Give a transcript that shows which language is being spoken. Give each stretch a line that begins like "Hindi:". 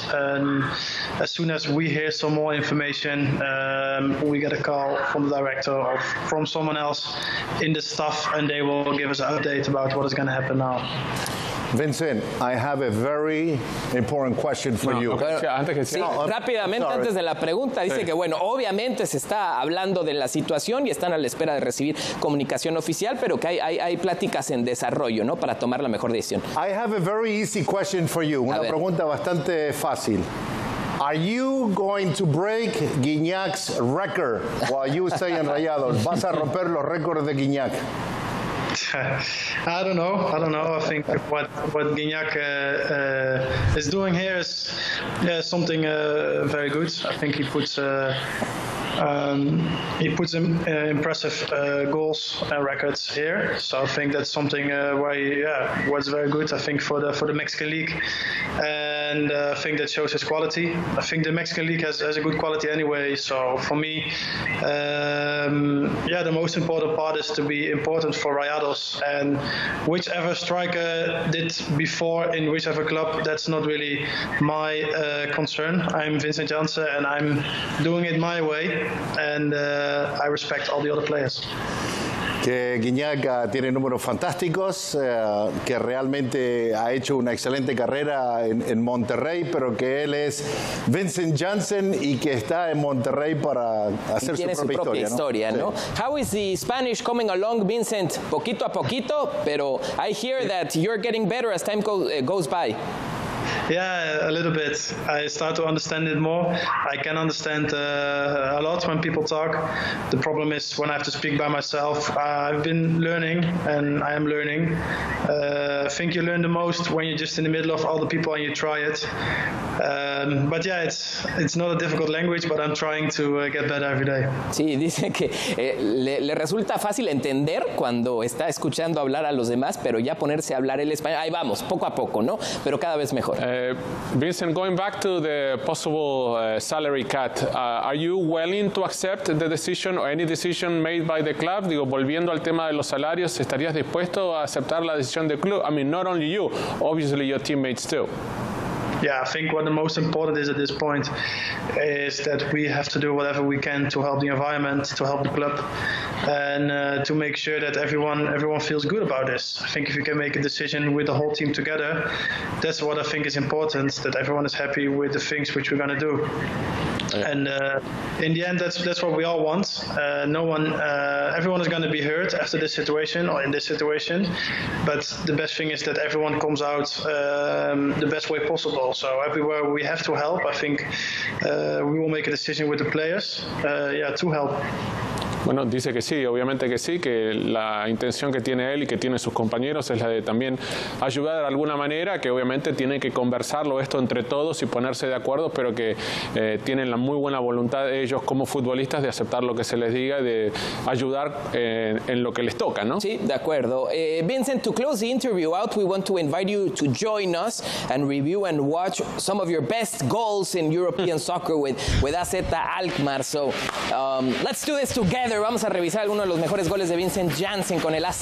English: And as soon as we hear some more information, we get a call from the director or from someone else in the staff, and they will give us an update about what is going to happen now. Vincent, I have a very important question for you.
Spanish: Rápidamente, antes de la pregunta, dice que, bueno, obviamente se está hablando de la situación y están a la espera de recibir comunicación oficial, pero que hay pláticas en desarrollo, ¿no?, para tomar la mejor decisión.
English: I have a very easy question for you.
Spanish: Una pregunta bastante fácil.
English: Are you going to break Guignac's record while you stay in Rayados?
Spanish: ¿Vas a romper los récords de Guignac?
English: I don't know. I think what Guignac is doing here is something very good. I think he puts impressive goals and records here. So I think that's something was very good, I think, for the Mexican League. And I think that shows his quality. I think the Mexican League has a good quality anyway. So for me, the most important part is to be important for Rayados. And whichever striker did before in whichever club, that's not really my concern. I'm Vincent Janssen, and I'm doing it my way. And I respect all the other players.
Spanish: Que Guignac tiene números fantásticos, que realmente ha hecho una excelente carrera en Monterrey, pero que él es Vincent Janssen y que está en Monterrey para hacer su propia historia, ¿no? Sí.
English: How is the Spanish coming along, Vincent?
Spanish: Poquito a poquito, pero
English: I hear that you're getting better as time goes by. Yeah, a little bit. I start to understand it more. I can understand a lot when people talk. The problem is when I have to speak by myself. I've been learning, and I am learning. I think you learn the most when you're just in the middle of other people and you try it. But yeah, it's not a difficult language, but I'm trying to get better every day.
Spanish: Sí, dice que le resulta fácil entender cuando está escuchando hablar a los demás, pero ya ponerse a hablar el español, ahí vamos, poco a poco, ¿no? Pero cada vez mejor.
English: Vincent, going back to the possible salary cut, are you willing to accept the decision or any decision made by the club?
Spanish: Digo, volviendo al tema de los salarios, ¿estarías dispuesto a aceptar la decisión del club?
English: I mean, not only you, obviously your teammates too. Yeah, I think what the most important is at this point is that we have to do whatever we can to help the environment, to help the club, and to make sure that everyone feels good about this. I think if we can make a decision with the whole team together, that's what I think is important, that everyone is happy with the things which we're going to do. Yeah. And in the end, that's what we all want. Everyone is going to be hurt after this situation or in this situation, but the best thing is that everyone comes out the best way possible. So everywhere we have to help, I think we will make a decision with the players to help.
Spanish: Bueno, dice que sí, obviamente que sí, que la intención que tiene él y que tiene sus compañeros es la de también ayudar de alguna manera, que obviamente tienen que conversarlo esto entre todos y ponerse de acuerdo, pero que tienen la muy buena voluntad de ellos como futbolistas de aceptar lo que se les diga, de ayudar en lo que les toca, ¿no? Sí, de acuerdo.
English: Vincent, to close the interview out, we want to invite you to join us and review and watch some of your best goals in European soccer with AZ Alkmaar. So let's do this together.
Spanish: Vamos a revisar alguno de los mejores goles de Vincent Janssen con el AZ.